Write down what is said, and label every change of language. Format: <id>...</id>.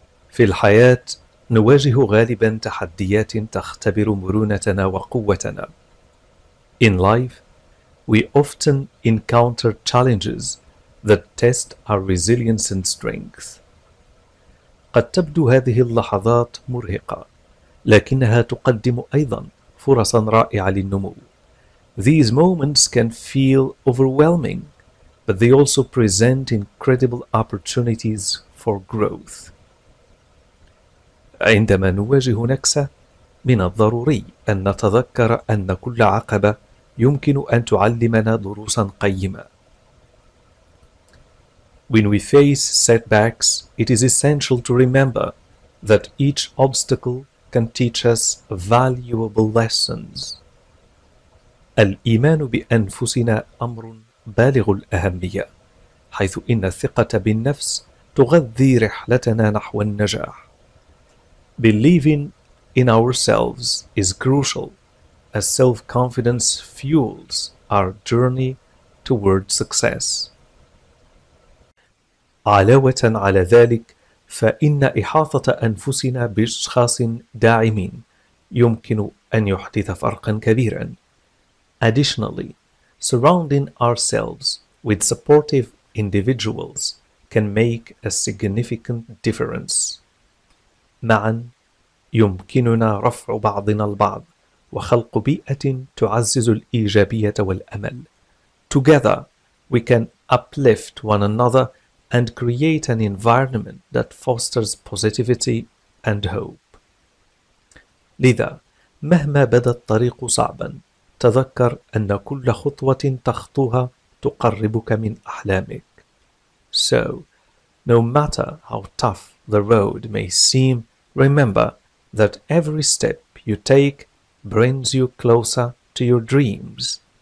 <ar>في الحياة نواجه غالبا تحديات تختبر مرونتنا وقوتنا.</ar> <en>In life, we often encounter challenges that test our resilience and strength.</en> <ar>قد تبدو هذه اللحظات مرهقة، لكنها تقدم أيضا فرصا رائعة للنمو.</ar> <en>These moments can feel overwhelming, but they also present incredible opportunities for growth.</en> <ar>عندما نواجه نكسة، من الضروري أن نتذكر أن كل عقبة يمكن أن تعلمنا دروسا قيمة.</ar> <en>When we face setbacks, it is essential to remember that each obstacle can teach us valuable lessons.</en> <ar>الإيمان بأنفسنا أمر بالغ الأهمية، حيث إن الثقة بالنفس تغذي رحلتنا نحو النجاح.</ar> <en>Believing in ourselves is crucial, as self-confidence fuels our journey toward success.</en> <ar>علاوة على ذلك، فإن إحاطة أنفسنا بأشخاص داعمين يمكن أن يحدث فرقا كبيرا.</ar> <en>Additionally, surrounding ourselves with supportive individuals can make a significant difference.</en> <ar>معا يمكننا رفع بعضنا البعض وخلق بيئة تعزز الإيجابية والأمل.</ar> <en>Together, we can uplift one another and create an environment that fosters positivity and hope.</en> <ar>لذا، مهما بدا الطريق صعبا، تذكر أن كل خطوة تخطوها تقربك من أحلامك.</ar> <en>So, no matter how tough the road may seem, remember that every step you take brings you closer to your dreams.</en>